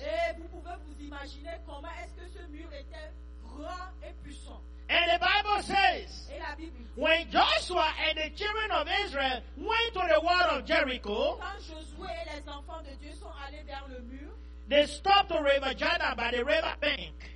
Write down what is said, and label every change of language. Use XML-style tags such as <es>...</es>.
<fr>Et vous pouvez vous imaginer comment est-ce que ce mur était grand et puissant.</fr> <en>And the Bible says,</en> <fr>et la Bible dit,</fr> <en>when Joshua and the children of Israel went to the wall of Jericho,</en> <fr>quand Josué et les enfants de Dieu sont allés vers le mur,</fr> <en>they stopped the river Jordan by the river bank.</en>